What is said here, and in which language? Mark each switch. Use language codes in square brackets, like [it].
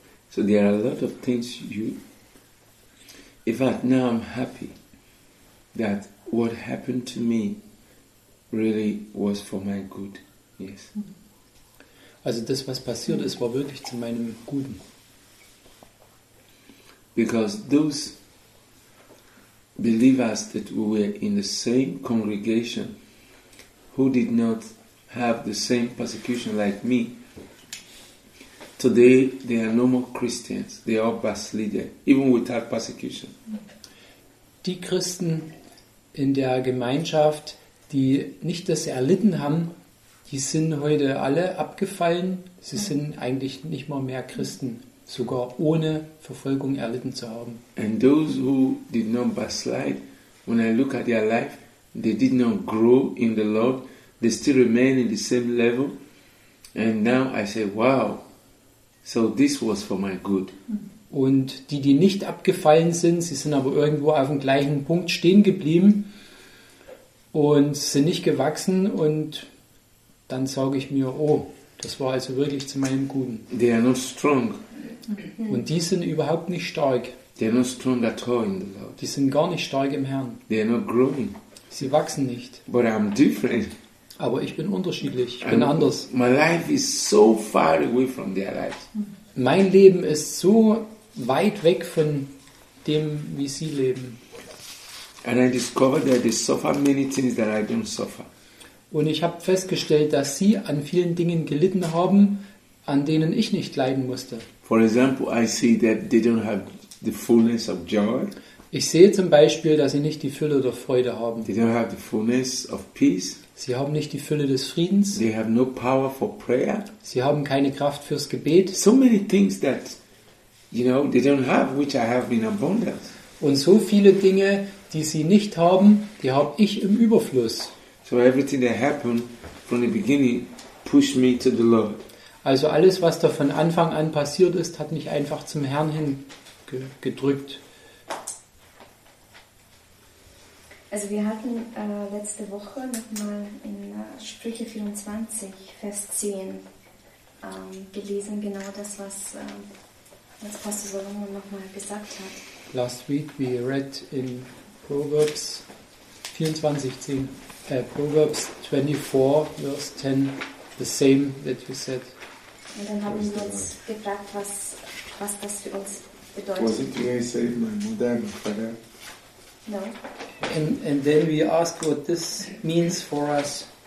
[en] So there are a lot of things you. In fact, now I'm happy that what happened to me really was for my good. Yes. [de] Also das, was passiert ist, war wirklich zu meinem Guten. [en] Because those believers that we were in the same congregation, who did not have the same persecution like me. Today they are no more Christians. They are backslidden, even without persecution. [de] Die Christen in der Gemeinschaft, die nicht das erlitten haben, die sind heute alle abgefallen. Sie sind eigentlich nicht mal mehr Christen, sogar ohne Verfolgung erlitten zu haben. [en] And those who did not backslide, when I look at their life, they did not grow in the Lord. They still remain in the same level. And now I say, wow. So this was for my good. [de] Und die, die nicht abgefallen sind, sie sind aber irgendwo auf dem gleichen Punkt stehen geblieben und sind nicht gewachsen. Und dann sage ich mir, oh, Das war also wirklich zu meinem Guten. [en] They are not strong. [de] Und die sind überhaupt nicht stark. [en] They are not strong at all in the Lord. [de] Die sind gar nicht stark im Herrn. [en] They are not growing. [de] Sie wachsen nicht. [en] But I'm different. [de] Aber ich bin unterschiedlich. Ich bin anders. [en] My life is so far away from their life. [de] Mein Leben ist so weit weg von dem, wie sie leben. [en] And I discovered that they suffer many things that I don't suffer. [de] Und ich habe festgestellt, dass sie an vielen Dingen gelitten haben, an denen ich nicht leiden musste. [en] For example, I see that they don't have the fullness of joy. [de] Ich sehe zum Beispiel, dass sie nicht die Fülle der Freude haben. [en] They don't have the fullness of peace. [de] Sie haben nicht die Fülle des Friedens. [en] They have no power for prayer. [de] Sie haben keine Kraft fürs Gebet. [en] So many things that, you know, they don't have, which I have in abundance. [de] Und so viele Dinge, die sie nicht haben, die habe ich im Überfluss. [en] So everything that happened from the beginning pushed me to the Lord. [de] Also alles, was da von Anfang an passiert ist, hat mich einfach zum Herrn hin gedrückt. Also wir hatten letzte Woche nochmal in Sprüche 24, Vers 10 gelesen, genau das, was Pastor Solomon nochmal gesagt hat. [en] Last week we read in Proverbs 24, 10, Proverbs 24, verse 10, the same that you said. [de] Und dann haben wir uns gefragt, was das für uns bedeutet. [en] Was it really saved my mother and father? No. And then we ask what this means for us.